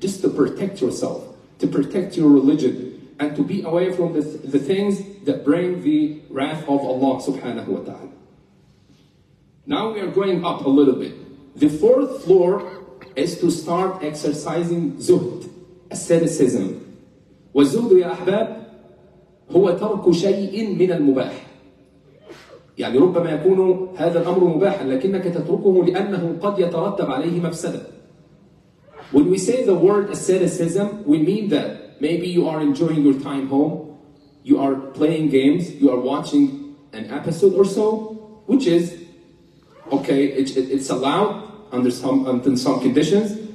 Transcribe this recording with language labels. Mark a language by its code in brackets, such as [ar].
[en] Just to protect yourself, to protect your religion, and to be away from the things that bring the wrath of Allah subhanahu wa ta'ala. Now we are going up a little bit. The fourth floor is to start exercising zuhd, asceticism. [ar] والزهد يا أحباب هو ترك شيء من المباح. يعني ربما يكون هذا الأمر مباحا لكنك تتركه لأنه قد يترتب عليه مفسدة. [en] When we say the word asceticism, we mean that maybe you are enjoying your time home, you are playing games, you are watching an episode or so, which is okay, it's allowed under some conditions.